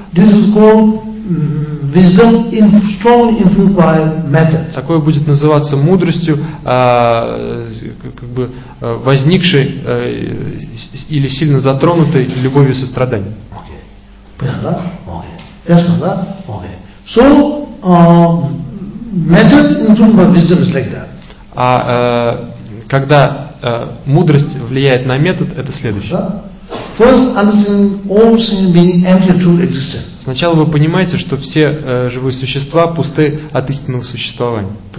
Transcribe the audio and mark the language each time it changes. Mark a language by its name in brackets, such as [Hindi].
[English] this is called wisdom strongly influenced by method. [Russian] Такое будет называться мудростью, как бы возникшей или сильно затронутой любовью и состраданием. Okay. Понятно? Okay. Ясно, да? Okay. [English] So method influenced by wisdom is like that. [Russian] А когда мудрость влияет на метод, это следующее. [English] First, understand all sentient beings empty true existence. [Russian] Сначала вы понимаете, что все живые существа пусты от истинного существования.